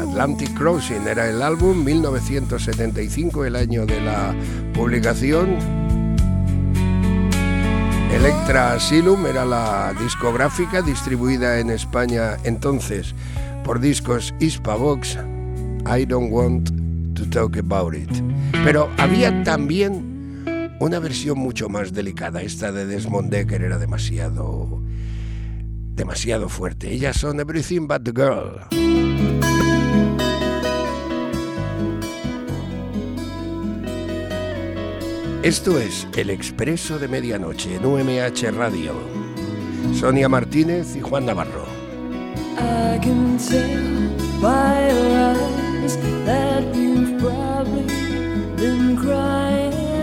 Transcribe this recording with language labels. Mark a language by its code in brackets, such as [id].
[es] Atlantic Crossing era el álbum, 1975, el año de la publicación. Elektra Asylum era la discográfica distribuida en España entonces por discos Hispavox. [en] I don't want to talk about it. [es] Pero había también una versión mucho más delicada. Esta de Desmond Dekker era demasiado fuerte. Ellas son Everything But the Girl. Esto es El Expreso de Medianoche en UMH Radio. Sonia Martínez y Juan Navarro. [en] I can tell by your eyes that you've probably been crying.